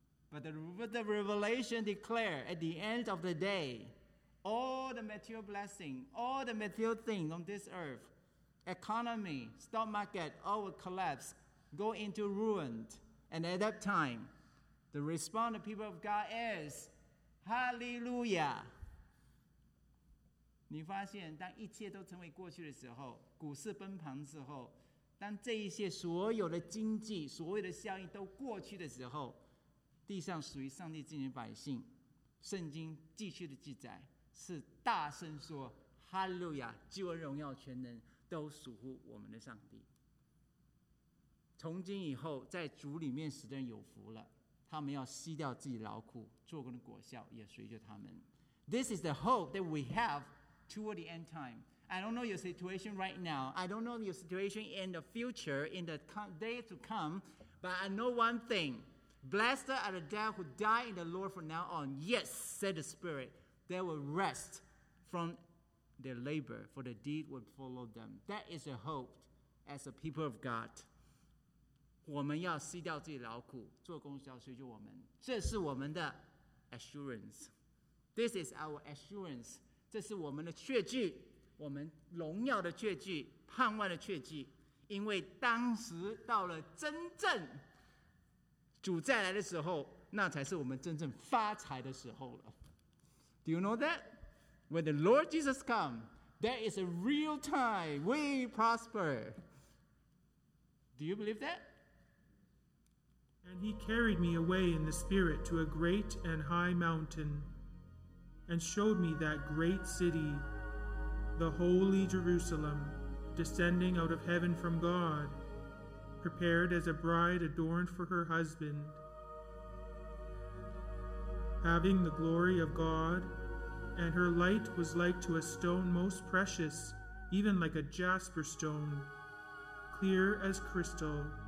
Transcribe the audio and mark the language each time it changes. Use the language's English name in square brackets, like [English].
[English] But the revelation declare at the end of the day, all the material blessing, all the material things on this earth, economy, stock market, all will collapse, go into ruin. And at that time, the response of people of God is, hallelujah. [Chinese] 你发现当一切都成为过去的时候，股市崩盘之后，当这一些所有的经济所有的效应都过去的时候，地上属于上帝之民百姓，圣经继续的记载是大声说哈利路亚，救恩荣耀全能都属乎我们的上帝。从今以后在主里面死的人有福了，他们要吸掉自己劳苦，做工的果效也随着他们。 [English] This is the hope that we haveToward the end time. I don't know your situation right now. I don't know your situation in the future, in the day to come. But I know one thing. Blessed are the dead who die in the Lord from now on. Yes, said the Spirit. They will rest from their labor, for the deed will follow them. That is a hope as a people of God. [Chinese] 我们要吸掉自己劳苦，做工要随着我们。这是我们的 [English] assurance. This is our assurance. [Chinese] 这是我们的确据，我们荣耀的确据，盼望的确据。因为当时到了真正主再来的时候，那才是我们真正发财的时候了。 [English] Do you know that? When the Lord Jesus comes, there is a real time we prosper. Do you believe that? And he carried me away in the spirit to a great and high mountain. And showed me that great city, the holy Jerusalem, descending out of heaven from God, prepared as a bride adorned for her husband, having the glory of God, and her light was like to a stone most precious, even like a jasper stone, clear as crystal.